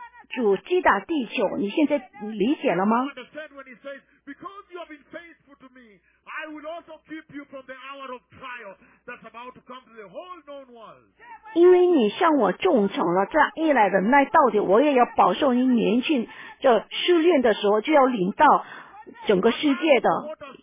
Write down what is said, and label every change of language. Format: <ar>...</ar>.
<zh>主击打地球，你现在理解了吗？</zh> <en>Because you have been faithful to me, I will also keep you from the hour of trial that's about to come to the whole known world.</en> <zh>因为你向我忠诚了，这样一来的那到底我也要保守你年轻的试炼的时候就要临到整个世界的。</zh>